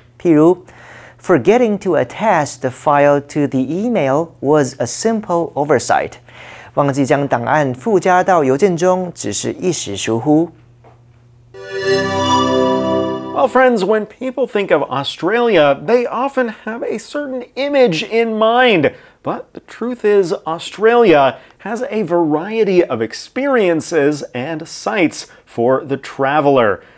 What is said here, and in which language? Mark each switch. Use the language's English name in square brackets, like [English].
[Chinese] 譬如 [English] Forgetting to attach the file to the email was a simple oversight. [Chinese] 忘记将档案附加到邮件中只是一时疏忽。 [English] Well, friends, when people think of Australia, they often have a certain image in mind. But the truth is, Australia has a variety of experiences and sights for the traveler.